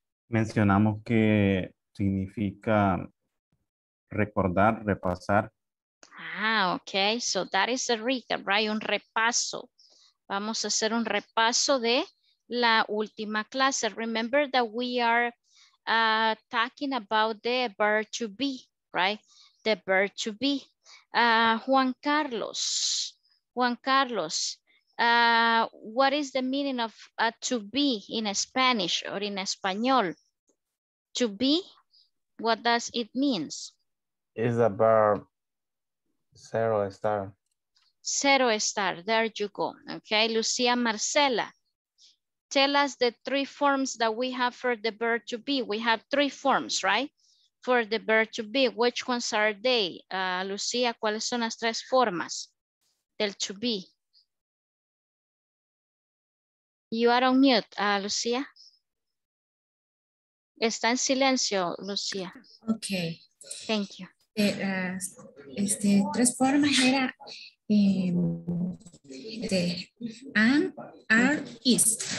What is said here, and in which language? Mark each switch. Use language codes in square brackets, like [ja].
[es] Mencionamos que significa recordar, repasar. [en] Ah, okay. So that is a recap, right? [es] Un repaso. Vamos a hacer un repaso de la última clase. [en] Remember that we are talking about the verb to be, right? The verb to be. Juan Carlos. What is the meaning of to be in Spanish or in español? To be, what does it mean? It's a verb, cero estar. Cero estar, there you go. Okay, Lucia Marcela, tell us the three forms that we have for the verb to be. We have three forms, right? For the verb to be, which ones are they? [es] Lucia, ¿cuáles son las tres formas del to be? [en] You are on mute, Lucia. [es] Está en silencio, Lucía. [en] Ok. Thank you. [es] Tres formas era de am, are, is.